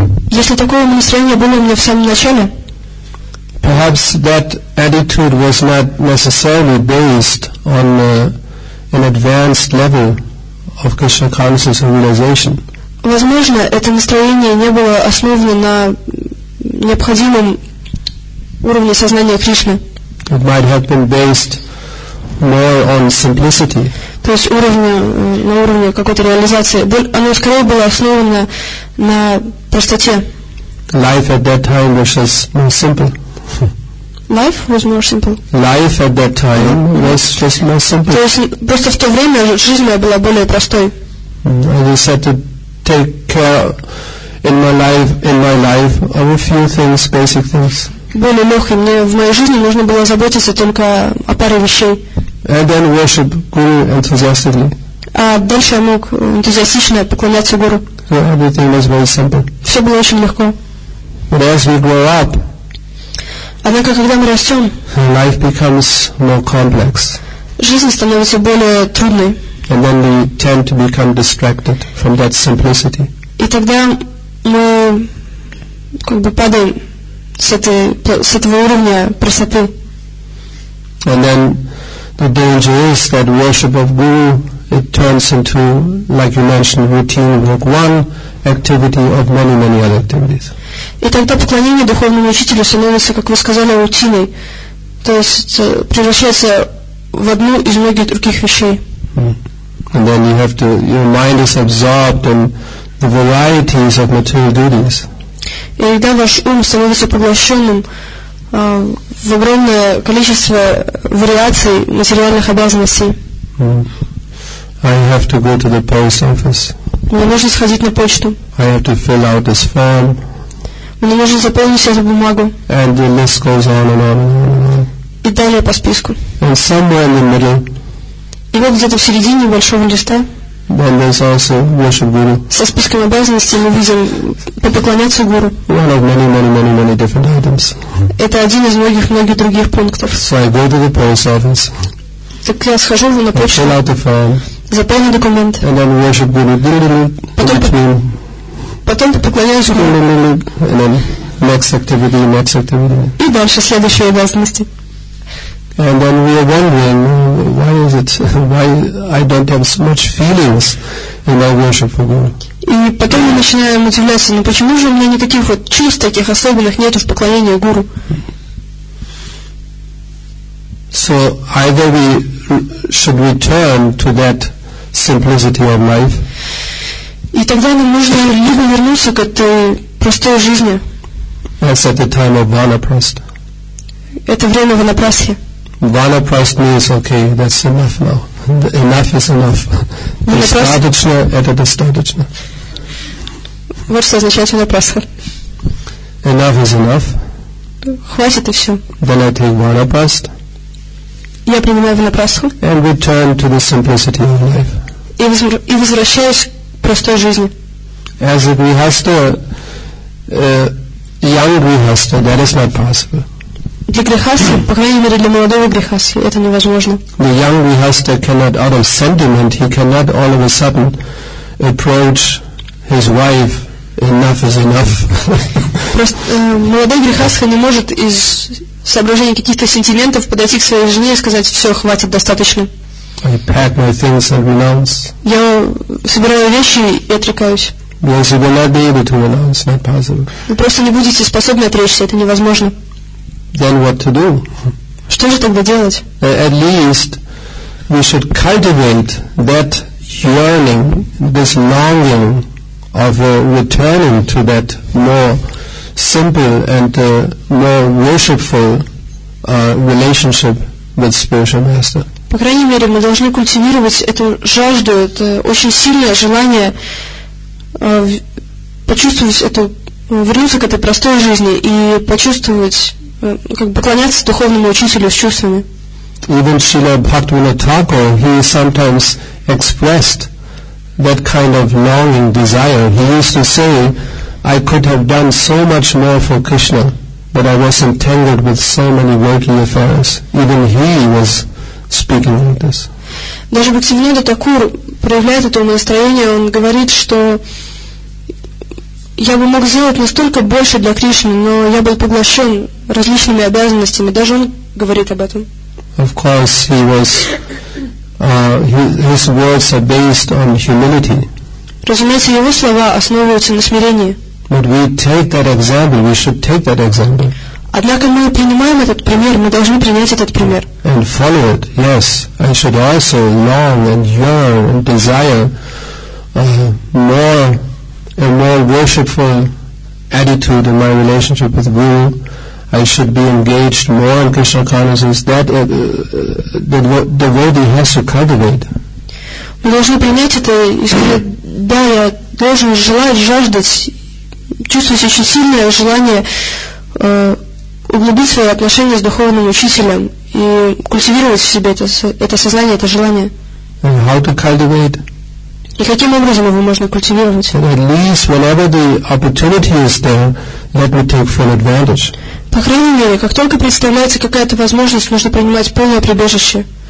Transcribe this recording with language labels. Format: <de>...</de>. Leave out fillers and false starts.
<ru>Если такое умонастроение было у меня в самом начале,</ru> <en>perhaps that attitude was not necessarily based on an advanced level of Krishna consciousness and realization.</en> <ru>Возможно, это настроение не было основано на необходимом уровне сознания Кришны.</ru> <en>It might have been based more on simplicity.</en> <ru>То есть на уровне какой-то реализации. Оно скорее было основано на простоте.</ru> <en>Life at that time was just more simple. Life was more simple. Life at that time was just more simple.</en> <ru>То есть просто в то время жизнь моя была более простой.</ru> <en>I just had to take care in my life of a few things, basic things.</en> <ru>Более легкой. Мне в моей жизни нужно было заботиться только о паре вещей.</ru> <en>And then worship Guru enthusiastically.</en> <ru>А дальше я мог энтузиастично поклоняться Гуру.</ru> <en>So everything was very simple.</en> <ru>Все было очень легко.</ru> <en>But as we grow up,</en> <ru>однако, когда мы растем,</ru> <en>life becomes more complex.</en> <ru>Жизнь становится более трудной.</ru> <en>And then we tend to become distracted from that simplicity.</en> <ru>И тогда мы как бы падаем с этого уровня простоты.</ru> <en>And then the danger is that worship of Guru, it turns into, like you mentioned, routine work, one activity of many other activities.</en> <ru>И тогда поклонение духовному учителю становится, как вы сказали, рутиной. То есть превращается в одну из многих других вещей.</ru> <en>And then you have to, your mind is absorbed in the varieties of material duties.</en> <ru>И тогда ваш ум становится поглощенным в огромное количество вариаций материальных обязанностей.</ru> <en>I have to go to the post office.</en> <ru>Мне нужно сходить на почту.</ru> <en>I have to fill out this form.</en> <ru>Мне нужно заполнить эту бумагу.</ru> <en>And the list goes on and on and on.</en> <ru>И далее по списку.</ru> <en>And somewhere in the middle.</en> <ru>И вот где-то в середине большого листа.</ru> <en>Then there's also worship Guru.</en> <ru>Со списком обязанностей мы видим попоклоняться Гуру.</ru> <en>One of many different items.</en> <ru>Это один из многих других пунктов.</ru> <en>So I go to the post office.</en> <ru>Так я схожу на почту.</ru> <en>Fill out the form.</en> <ru>Заполню документ.</ru> <en>And then worship Guru.</en> <ru>Потом поклоняюсь Гуру.</ru> <en>Next activity.</en> <ru>И дальше следующие обязанности.</ru> <en>And then we are wondering, why is it, why I don't have so much feelings in my worship for Guru.</en> <ru>И потом мы начинаем удивляться, почему же у меня никаких вот чувств таких особенных нету в поклонении Гуру.</ru> <en>So either we should return to that simplicity of life.</en> <ru>И тогда нам нужно либо вернуться к этой простой жизни.</ru> <en>That's at the time of Vanaprastha.</en> <ru>Это время Ванапрасхи.</ru> <en>Vanaprastha means okay, that's enough now. Enough is enough.</en> <ru>Достаточно, это достаточно. Вот что означает Ванапрасха.</ru> <en>Enough is enough.</en> <ru>Хватит и все.</ru> <en>Then I take Vanaprastha.</en> <ru>Я принимаю Ванапрасху.</ru> <en>And return to the simplicity of life.</en> <ru>И возвращаюсь к простой жизни.</ru> <en>As a grihastha, young grihastha, that is not possible.</en> <ru>Для грехасы, по крайней мере для молодого грехасы, это невозможно.</ru> <en>The young grihastha cannot, out of sentiment, he cannot all of a sudden approach his wife. Enough is enough.</en> <ru>Просто молодой грехасха не может из соображений каких-то сентиментов подойти к своей жене и сказать: все, хватит, достаточно.</ru> <en>I pack my things and renounce.</en> <ru>Я собираю вещи и отрекаюсь.</ru> <en>Yes, you will not be able to renounce, not possible.</en> <ru>Вы просто не будете способны отречься, это невозможно.</ru> <en>Then what to do?</en> <ru>Что же тогда делать?</ru> <en>At least we should cultivate that yearning, this longing of returning to that more simple and more worshipful relationship with spiritual master.</en> <ru>По крайней мере, мы должны культивировать эту жажду, это очень сильное желание почувствовать эту, вернуться к этой простой жизни и почувствовать, как бы поклоняться духовному учителю с чувствами.</ru> <en>Even Srila Bhaktivinoda Thakur, he sometimes expressed that kind of longing, desire. He used to say, I could have done so much more for Krishna, but I was entangled with so many worldly affairs. Even he was speaking like this.</en> <ru>Даже Бхактивинода Такур проявляет это настроение. Он говорит, что я бы мог сделать настолько больше для Кришны, но я был поглощен различными обязанностями. Даже он говорит об этом.</ru> <en>Of course, he was... his words are based on humility.</en> <ru>Разумеется, его слова основываются на смирении.</ru> <en>But we take that example. We should take that example.</en> <ru>Однако мы принимаем этот пример. Мы должны принять этот пример.</ru> <en>And follow it. Yes, I should also long and yearn and desire more and more worshipful attitude in my relationship with Guru. I should be engaged more in Krishna consciousness. That the devotee has to cultivate.</en> <ru>Мы должны принять это и сказать: да, я должен желать, жаждать, чувствовать очень сильное желание углубить свои отношения с духовным учителем и культивировать в себе это сознание, это желание.</ru> <en>And how to cultivate?</en> <ru>И каким образом его можно культивировать?</ru> <en>And at least whenever the opportunity is there, let me take full advantage.</en> <ru>По крайней мере, как только представляется какая-то возможность, нужно принимать полное прибежище.</ru>